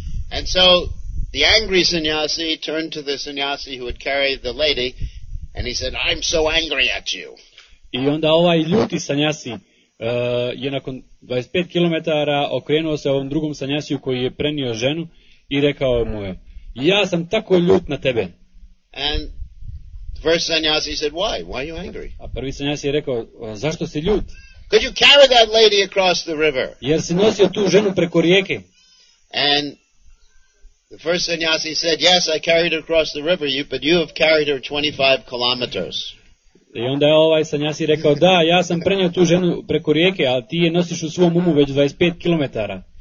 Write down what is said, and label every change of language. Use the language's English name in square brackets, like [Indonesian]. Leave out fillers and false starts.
[English] And so the angry sannyasi turned to the sannyasi who had carried the lady and he said, "I'm so angry at you." [Croatian] I onda ovaj ljuti sannyasi je nakon 25 kilometara okrenuo se ovom drugom sannyasiju koji je prenio ženu i rekao mu je, "Ja sam tako ljut na tebe." [English] And first sannyasi said, "Why? Why are you angry?" [Croatian] A prvi sannyasi je rekao, "Zašto si ljut?" [English] "Could you carry that lady across the river?" [Croatian] Jer si nosio tu ženu preko rijeke. [English] And the first sannyasi said, "Yes, I carried her across the river, but you have carried her 25 kilometers." [Croatian] I onda je ovaj sannyasi rekao, "Da, ja sam prenio tu ženu preko rijeke, ali ti je nosiš u svom umu već 25 kilometara."